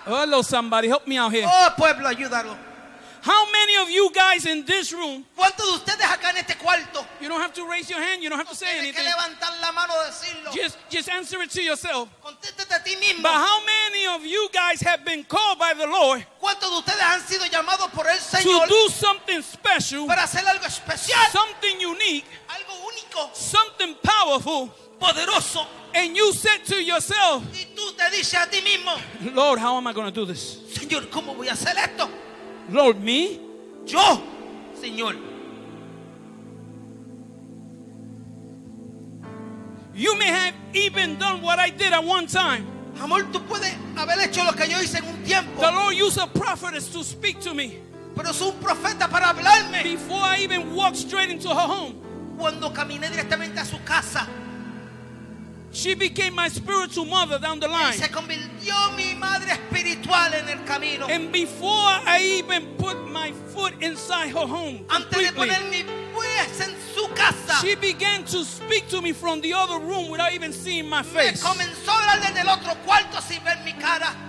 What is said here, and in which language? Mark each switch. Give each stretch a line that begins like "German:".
English: Hello, somebody, help me out here.
Spanish: Oh, pueblo, ayúdalo.
English: How many of you guys in this room?
Spanish: ¿Cuántos de ustedes acá en este cuarto?
English: You don't have to raise your hand. You don't have to say anything.
Spanish: Que levantar la mano y decirlo.
English: Just answer it to yourself.
Spanish: Contéstate a ti mismo.
English: But how many of you guys have been called by the Lord?
Spanish: ¿Cuántos de ustedes han sido llamados por el Señor?
English: To do something special.
Spanish: Para hacer algo especial.
English: Something unique.
Spanish: Algo único.
English: Something powerful.
Spanish: Poderoso.
English: And you said to yourself.
Spanish: Y tú te dices a ti mismo.
English: Lord, how am I going to do this?
Spanish: Señor, ¿cómo voy a hacer esto?
English: Lord, me?
Spanish: Yo, Señor.
English: You may have even done what I did at one time.
Spanish: Amor, tú puedes haber hecho lo que yo hice en un tiempo.
English: The Lord used a prophetess to speak to me.
Spanish: Pero es un profeta para hablarme.
English: Before I even walked straight into her home.
Spanish: Cuando caminé directamente a su casa.
English: She became my spiritual mother down the line.
Spanish: Se convirtió mi madre espiritual en el camino.
English: And before I even put my foot inside her home,
Spanish: antes de poner mi pies en su casa,
English: she began to speak to me from the other room without even seeing my face.
Spanish: Me comenzó a hablar desde el otro cuarto sin ver mi cara.